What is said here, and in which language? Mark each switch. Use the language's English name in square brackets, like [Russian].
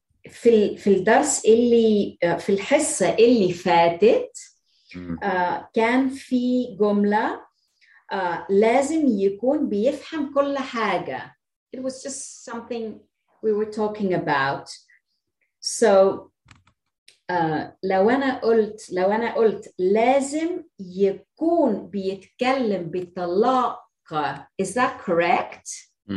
[Arabic] في الدرس اللي في الحصة اللي فاتت كان في جملة لازم يكون بيفهم كل حاجة. [English] It was just something we were talking about. [Arabic] So, لو أنا قلت لازم يكون بيتكلم بطلاقة, [English] is that correct?